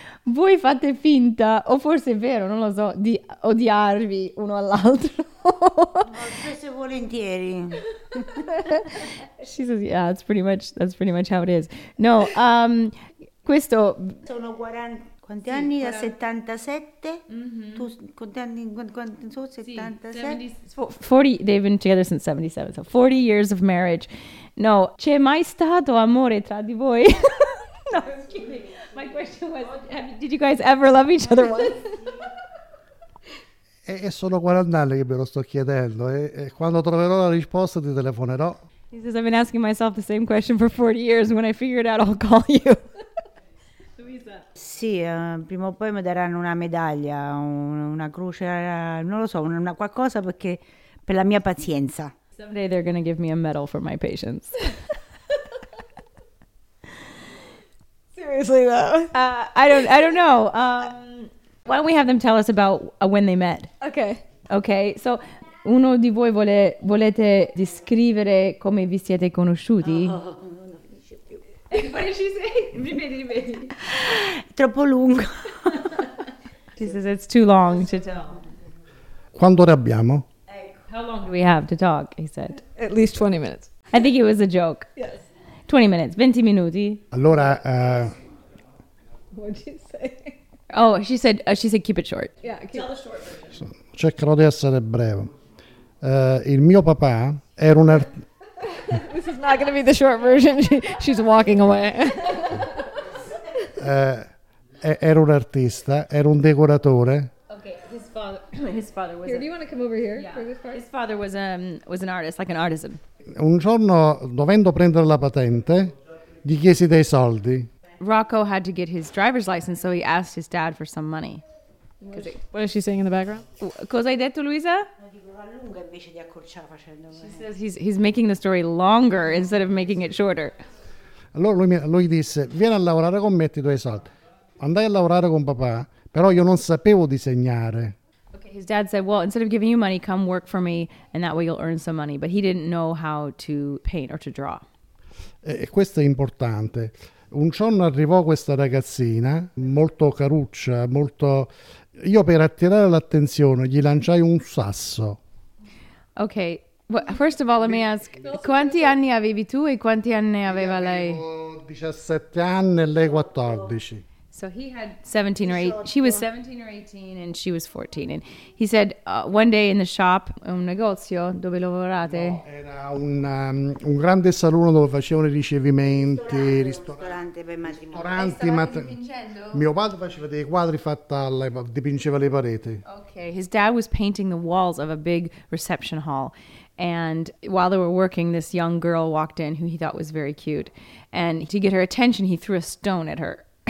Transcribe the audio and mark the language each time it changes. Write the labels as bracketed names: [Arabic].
[Italian] Voi fate finta, o forse è vero, non lo so, di odiarvi uno all'altro. Spesso e volentieri. [English] She says, yeah, that's pretty much how it is. [Italian] No, questo... Sono 40... Quanti sì, anni? 40. Da 77? Mm-hmm. Tu, quanti anni? Quanti sono? 77? [English] 40, they've been together since 77, so 40 years of marriage. [Italian] No, c'è mai stato amore tra di voi? No, scusami. [English] My question was, did you guys ever love each other once? [Italian] E sono 40 anni che me lo sto chiedendo, e quando troverò la risposta ti telefonerò. [English] He says, I've been asking myself the same question for 40 years, when I figure it out I'll call you. Luisa. [Italian] Sì, prima o poi mi daranno una medaglia, una croce, non lo so, una qualcosa, perché per la mia pazienza. [English] Someday they're going to give me a medal for my patience. Seriously, though. I don't know. Why don't we have them tell us about when they met? Okay. Okay, so [Italian] uno di voi volete descrivere come vi siete conosciuti? Oh, non finisce più. E poi ci sei? Ripeti. Troppo lungo. [English] She says it's too long to tell. [Italian] Quanto ore abbiamo? Ecco. [English] How long do we have to talk, he said. At least 20 minutes. I think it was a joke. Yes. 20 minutes, [Italian] 20 minuti. Allora, [English] what did you say? Oh, she said keep it short. Yeah, tell the short version. [Italian] Cercherò di essere breve. Il mio papà era un [English] This is not going to be the short version. She's walking away. [Italian] Era un artista, era un decoratore. [English] Okay, his father was here, do you want to come over here? Yeah. For this part? His father was an artist, like an artisan. [Italian] Un giorno, dovendo prendere la patente, gli chiesi dei soldi. [English] Rocco had to get his driver's license, so he asked his dad for some money. What is she saying in the background? [Italian] Cosa hai detto, Luisa? Lunga invece di accorciare facendo. [English] She says he's making the story longer instead of making it shorter. [Italian] Allora lui disse, vieni a lavorare con me e ti do i soldi. Andai a lavorare con papà, però io non sapevo disegnare. [English] His dad said, well, instead of giving you money, come work for me, and that way you'll earn some money. But he didn't know how to paint or to draw. [Italian] E questo è importante. Un giorno arrivò questa ragazzina, molto caruccia, molto... Io per attirare l'attenzione gli lanciai un sasso. [English] Okay, well, first of all, let me ask, [Italian] quanti anni avevi tu e quanti anni aveva lei? Io avevo 17 anni e lei 14. [English] So he had 17 or 18, she was 17 or 18 and she was 14. And he said, one day in the shop, [Italian] un negozio dove lavorate? No, era un grande salone dove facevano i ricevimenti, ristoranti. Mio padre faceva dei quadri, dipingeva le pareti. [English] Okay, his dad was painting the walls of a big reception hall. And while they were working, this young girl walked in who he thought was very cute. And to get her attention, he threw a stone at her.